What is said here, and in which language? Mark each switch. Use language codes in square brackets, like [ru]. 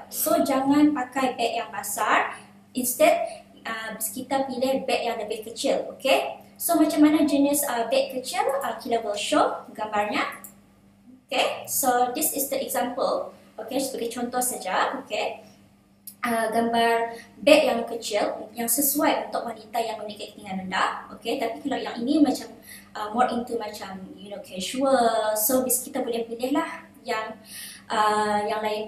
[ms] So jangan pakai beg yang besar, instead kita pilih beg yang lebih kecil, okay? So macam mana jenis bag kecil, kita will show gambarnya. [en] Okay, so this is the example. [ms] Okay, sebagai contoh saja. Okay, gambar bag yang kecil yang sesuai untuk wanita yang memiliki ketinggian rendah. Okay, tapi kalau yang ini macam more into macam you know casual. So bis kita boleh pilih lah yang yang lain.